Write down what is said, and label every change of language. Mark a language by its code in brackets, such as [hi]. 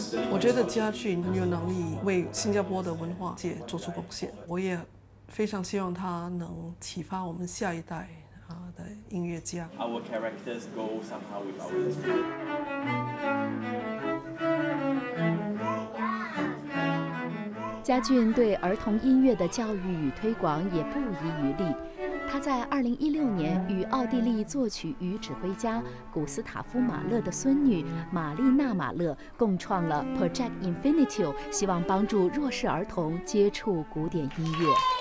[zh] 我觉得家俊很有能力为新加坡的文化界做出贡献，我也非常希望他能启发我们下一代的音乐家。 [en] Our characters go somehow with our music. [zh] 家俊对儿童音乐的教育与推广也不遗余力。他在2016年与奥地利作曲与指挥家古斯塔夫·马勒的孙女玛丽娜·马勒共创了 Project Infinitio， 希望帮助弱势儿童接触古典音乐。